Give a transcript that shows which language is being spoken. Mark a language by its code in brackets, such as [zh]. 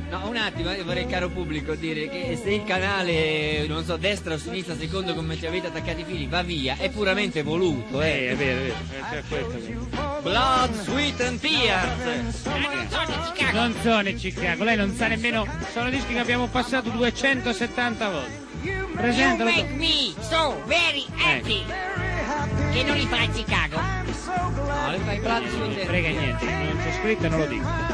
[it] No, un attimo, io vorrei, caro pubblico, dire che se il canale, non so, destra o sinistra, secondo come ci avete attaccati i fili, va via, è puramente voluto, È vero. Blood, Sweat and Tears! Non sono Chicago, lei non sa nemmeno, sono dischi che abbiamo passato 270 volte. Presentalo. [en] You make me so very happy! [it] Che non li fai a Chicago? No, li fai Blood, Sweat and Tears. Non frega niente, non c'è scritto e non lo dico.